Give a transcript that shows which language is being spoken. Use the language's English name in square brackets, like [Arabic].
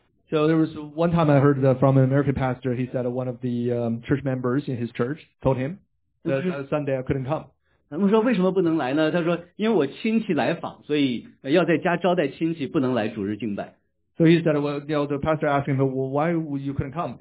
[English] So there was one time I heard that from an American pastor, he said one of the, church members in his church told him,Sunday I couldn't come. [Chinese] 我说为什么不能来呢？他说因为我亲戚来访，所以要在家招待亲戚，不能来主日敬拜。 [English] So he said, well, you know, the pastor asked him, well, why you couldn't come?